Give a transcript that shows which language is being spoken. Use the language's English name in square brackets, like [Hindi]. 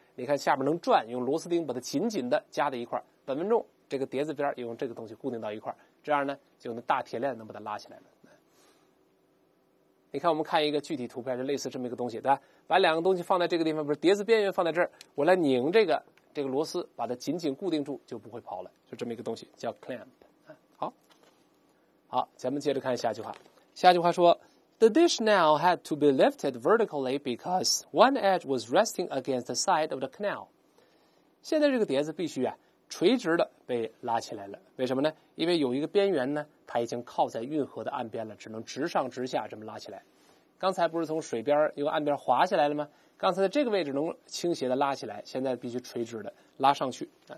[Chinese] 你看下面能转，用螺丝钉把它紧紧的夹在一块，本文中这个碟子边用这个东西固定到一块，这样呢就能大铁链能把它拉起来了。你看我们看一个具体图片，就类似这么一个东西，对吧？把两个东西放在这个地方，不是碟子边缘放在这儿，我来拧这个螺丝把它紧紧固定住就不会跑了，就这么一个东西叫 clamp。好，咱们接着看下句话。下句话说 [English] The dish now had to be lifted vertically because one edge was resting against the side of the canal。 [Chinese] 现在这个碟子必须垂直的被拉起来了，为什么呢？因为有一个边缘呢，它已经靠在运河的岸边了，只能直上直下这么拉起来。刚才不是从水边由岸边滑下来了吗？刚才的这个位置能倾斜的拉起来，现在必须垂直的拉上去。